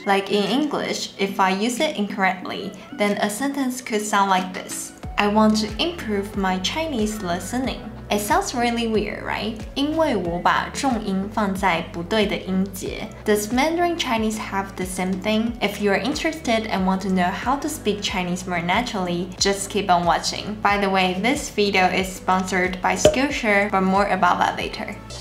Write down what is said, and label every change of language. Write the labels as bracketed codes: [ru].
[en] Like in English, if I use it incorrectly, then a sentence could sound like this. I want to improve my Chinese listening. It sounds really weird, right? [zh] 因为我把重音放在不对的音节。 [en] Does Mandarin Chinese have the same thing? If you are interested and want to know how to speak Chinese more naturally, just keep on watching. By the way, this video is sponsored by Skillshare, but more about that later.